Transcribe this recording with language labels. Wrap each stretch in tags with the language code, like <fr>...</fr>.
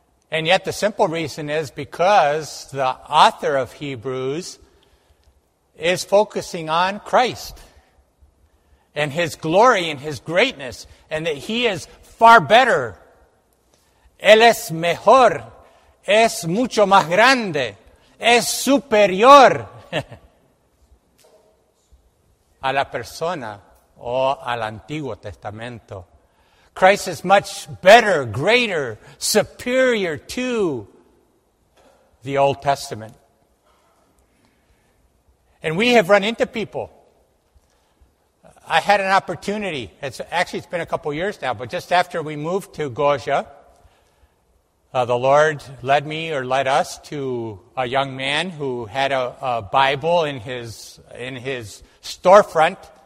<en>And yet the simple reason is because the author of Hebrews is focusing on Christ and his glory and his greatness, and that he is far better.</en> <es>Él es mejor, es mucho más grande, es superior a la persona o al Antiguo Testamento.</es> <en>Christ is much better, greater, superior to the Old Testament. And we have run into people. I had an opportunity. It's been a couple years now, but just after we moved to Goja, the Lord led us to a young man who had a Bible in his storefront.</en>